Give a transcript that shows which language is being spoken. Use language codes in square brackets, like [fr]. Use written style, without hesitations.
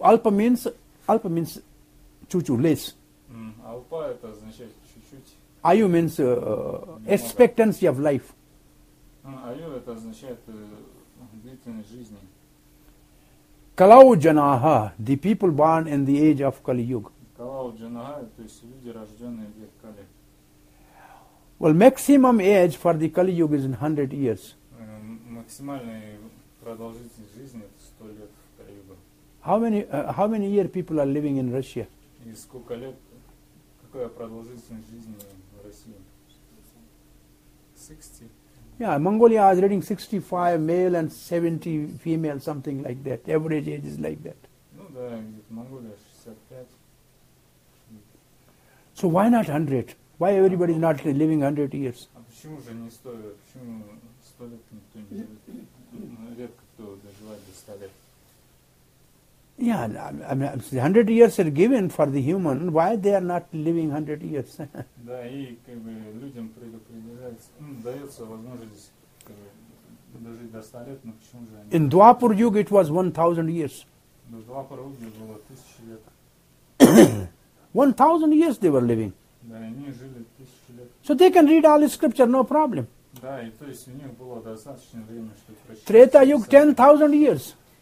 [en] Alpa means [ru] чуть-чуть, [en] less. [ru] Alpa это означает чуть-чуть. [en] Ayu means expectancy of life. [ru] Ayu это означает длительность жизни. [en] Kalau janaha, the people born in the age of Kali Yuga. [ru] Kalau janaha, то есть люди рожденные в век Кали. [en] Well, maximum age for the Kali Yuga is 100 years. [ru] Максимальная продолжительность жизни это 100 лет. [en] How many year people are living in Russia? [ru] И сколько лет, какая продолжительность жизни в России? [en] 60. Yeah, Mongolia is reading 65 male and 70 female, something like that. Average age is like that. [ru] Ну да, Mongolia [en] 65. So why not 100? Why everybody is not living 100 years? [ru] А почему же не 100? Почему 100 лет никто не живет? Редко кто доживает до 100 лет. [en] Yeah, I mean, 100 years are given for the human. Why they are not living 100 years? [ru] Да, и как бы людям предупреждается, дается возможность дожить до 100 лет, но почему же они... [en] In Dwapar Yuga it was 1,000 years. [ru] Но в Двапар Юге было 1000 лет. [en] 1,000 years they were living. [ru] Да, они жили 1000 лет. [en] So they can read all the scripture, no problem. [ru] Да, и то есть у них было достаточно времени, чтобы прочитать. [en] Трета Юг 10,000 years.